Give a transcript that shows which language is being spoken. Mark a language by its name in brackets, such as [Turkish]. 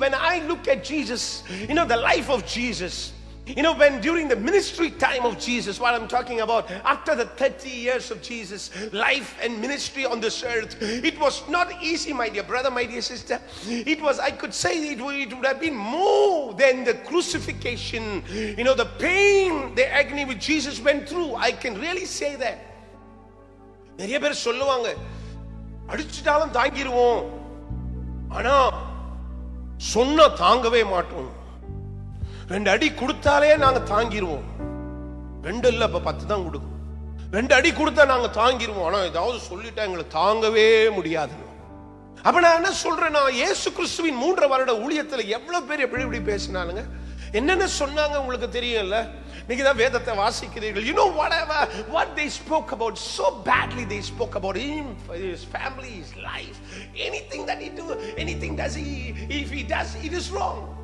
[English] When I look at Jesus, you know, the life of Jesus, you know, when during the ministry time of Jesus, what I'm talking about, after the 30 years of Jesus' life and ministry on this earth, it was not easy, my dear brother, my dear sister. It was, I could say, it would have been more than the crucifixion. You know, the pain, the agony which Jesus went through, I can really say that. [Tamil] நிறைய பேர் சொல்லுவாங்க, அடிச்சிட்டாலும் தாங்கிடுவோம், ஆனா சொன்ன தாங்கவே மாட்டோம். ரெண்டு அடி கொடுத்தாலே நாங்க தாங்கிருவோம், ரெண்டு இல்ல அப்ப 10 தான் கொடுக்கும், ரெண்டு அடி கொடுத்தா நாங்க தாங்கிருவோம், ஆனா ஏதாவது சொல்லிட்டா எங்களை தாங்கவே முடியாது. அப்ப நான் என்ன சொல்றேன், நான் இயேசு கிறிஸ்துவின் 3.5 வருட ஊழியத்துல எவ்வளவு பேர் எப்படி இப்படி பேசினாலுங்க, என்னென்ன சொன்னாங்க உங்களுக்கு தெரியும்ல, நீங்க தான் வேதத்தை வாசிக்கிறீர்கள். [English] You know whatever what they spoke about, so badly they spoke about him, his family, his life, anything that he do, anything does he, if he does it is wrong.